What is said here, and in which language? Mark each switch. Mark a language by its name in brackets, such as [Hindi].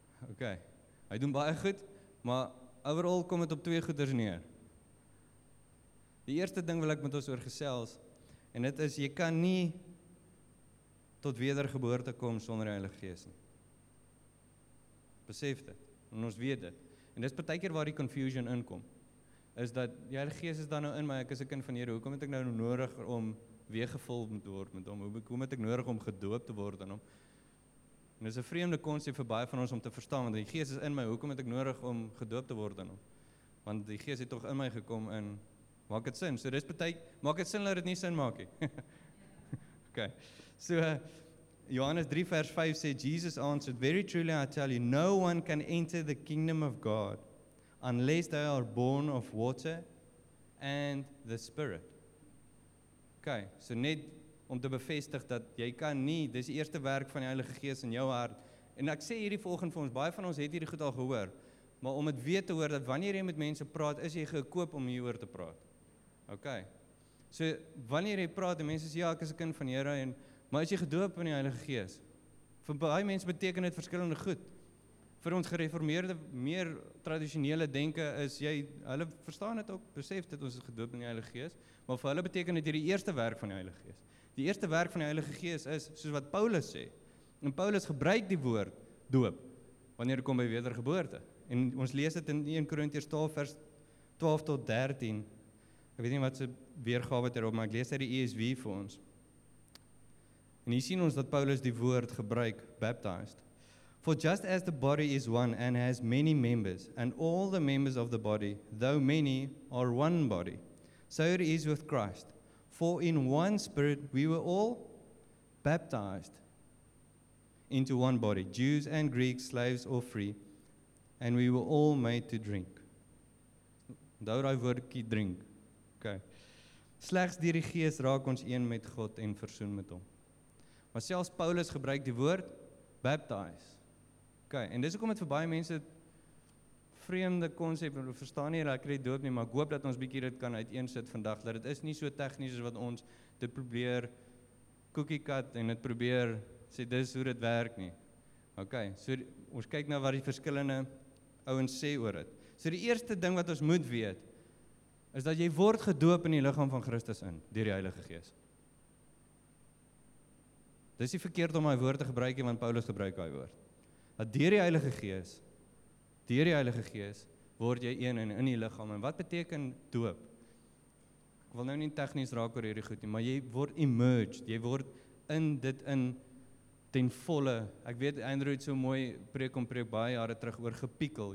[Afrikaans] Ok, hy doen baie goed, maar overal kom het op twee goeders neer. Die eerste ding wil ek met ons oor gesels, en dit is, jy kan nie tot wedergeboorte kom sonder die Heilige Gees nie. Besef dit, en ons weet dit. En dis baie keer waar die confusion inkom. Is dat die Heilige Gees is dan nou in my, ek is 'n kind van Here, hoekom het ek nou nodig om weergevul te word met hom? Hoekom het ek nodig om gedoop te word in hom? En dis 'n vreemde konsep vir baie van ons om te verstaan, want die Gees is in my, hoekom het ek nodig om gedoop te word in hom? Want die Gees het toch in my gekom en maak dit sin. So dis baie, maak dit sin dat dit nie sin maak nie. Okay. So Johannes 3 vers 5 sê, [English] Jesus answered, very truly I tell you, no one can enter the kingdom of God unless they are born of water and the Spirit. [Afrikaans] Okay, so net om te bevestig dat jy kan nie, dis die eerste werk van die Heilige Gees in jou hart. En ek sê hierdie volgende vir ons, baie van ons het hierdie goed al gehoor, maar om het weer te hoor, dat wanneer jy met mense praat, is jy gekoop om hieroor te praat. Okay, so wanneer jy praat, en mense sê, ja, ek is 'n kind van Here, en maar is jy gedoop in die Heilige Gees? Vir baie mense beteken dit verskillende goed. Vir ons gereformeerde, meer traditionele denke is jy, hulle verstaan het ook, besef dat ons is gedoop in die Heilige Gees, maar vir hulle beteken het hier die eerste werk van die Heilige Gees. Die eerste werk van die Heilige Gees is, soos wat Paulus sê, en Paulus gebruik die woord doop, wanneer hy kom by wedergeboorte. En ons lees dit in 1 Korintiërs 12 vers 12 tot 13. Ek weet nie wat se weergawe daarop, maar ek lees uit die ESV vir ons. En hier sien ons dat Paulus die woord gebruik, baptized. [English] For just as the body is one and has many members, and all the members of the body, though many, are one body, so it is with Christ. For in one spirit we were all baptized into one body, Jews and Greeks, slaves or free, and we were all made to drink. [Afrikaans] Onthou daai woordjie drink. Okay. Slegs deur die Gees raak ons een met God en versoen met hom. Maar selfs Paulus gebruik die woord baptize. Okay, en dis hoekom dit vir baie mense vreemde konsep, en ons verstaan nie raak die doop nie, maar ek hoop dat ons bietjie dit kan uiteensit vandag, dat dit is nie so tegnies as wat ons dit probeer [English] cookie cut [Afrikaans] en dit probeer sê dis hoe dit werk nie. Okay, so ons kyk nou wat die verskillende ouens sê oor dit. So die eerste ding wat ons moet weet is dat jy word gedoop in die liggaam van Christus in deur die Heilige Gees. Dis nie verkeerd om daai woord te gebruik nie, want Paulus gebruik daai woord. Dat deur die Heilige Gees, word jy een en in die liggaam. En wat beteken doop? Ek wil nou nie technisch raak oor hierdie goed nie, maar jy word emerged, jy word in dit in ten volle. Ek weet, Andrew het so mooi preek om preek baie jare terug oor gepiekel.